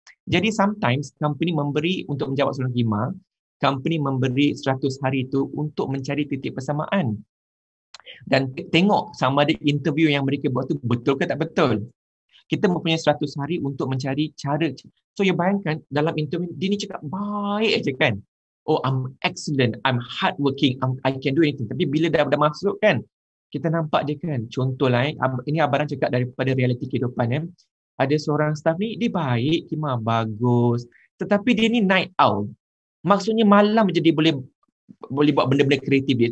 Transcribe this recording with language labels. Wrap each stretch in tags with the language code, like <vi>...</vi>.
<ms>Jadi sometimes company memberi, untuk menjawab soalan Kimah, company memberi 100 hari tu untuk mencari titik persamaan. Dan tengok sama ada interview yang mereka buat tu betul ke tak betul. Kita mempunyai 100 hari untuk mencari cara. So you bayangkan dalam interview, dia ni cakap baik aja kan.</ms> <en>Oh, I'm excellent, I'm hardworking, I can do anything.</en> <ms>Tapi bila dah masuk kan, kita nampak dia kan. Contoh lah, ini Abang cakap daripada realiti kehidupan. Eh. Ada seorang staff ni, dia baik, Kimah, bagus. Tetapi dia ni night owl. Maksudnya malam je dia boleh boleh buat benda-benda kreatif dia.</ms>